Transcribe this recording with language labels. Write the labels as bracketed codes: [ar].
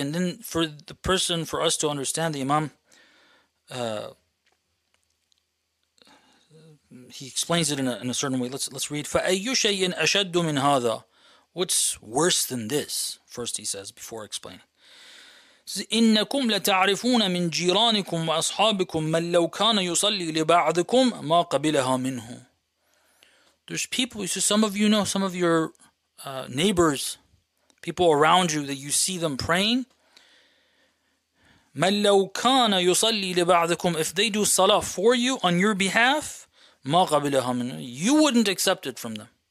[en] And then for the person, for us to understand, the Imam, he explains it in a certain way. Let's read. [ar] فَأَيُّ شَيْءٍ أَشَدُّ مِنْ هَذَا. [en] What's worse than this? First he says, before explaining. [ar] إنكم لتعرفون من جيرانكم وأصحابكم من لو كان يصلي لبعضكم ما قبلها منه. [en] There's people, so some of you know, some of your neighbors, people around you that you see them praying. [ar] من لو كان يصلي لبعضكم, [en] if they do salah for you on your behalf, [ar] ما قبلها منه, [en] you wouldn't accept it from them.